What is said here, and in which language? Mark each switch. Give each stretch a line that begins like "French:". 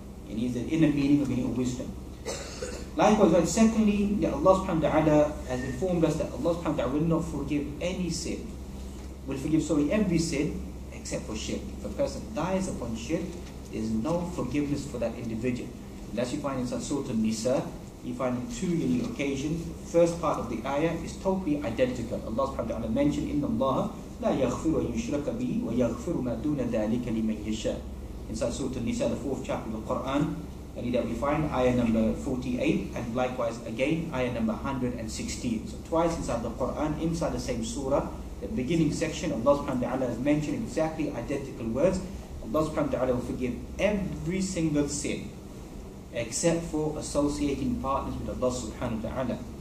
English: It is the inner meaning of wisdom. Likewise, but secondly, that Allah subhanahu wa ta'ala has informed us that Allah subhanahu wa ta'ala will not forgive any sin, will forgive, sorry, every sin, except for shirk. If a person dies upon shirk, there's no forgiveness for that individual. And as you find in Surah An-Nisa, you find two unique occasions. The first part of the ayah is totally identical.
Arabic: Allah subhanahu wa ta'ala mentioned, إِنَّ اللَّهَ لَا يَغْفِرُ وَيُشْرَكَ بِهِ وَيَغْفِرُ مَا دُونَ ذَلِكَ لِمَنْ يَشَاءَ.
English: In Surah An-Nisa, the fourth chapter of the Qur'an, and that we find ayah number 48, and likewise again, ayah number 116. So twice inside the Qur'an, inside the same surah, the beginning section, Allah subhanahu wa ta'ala has mentioned exactly identical words. Allah subhanahu wa ta'ala will forgive every single sin except for associating partners with Allah subhanahu wa ta'ala.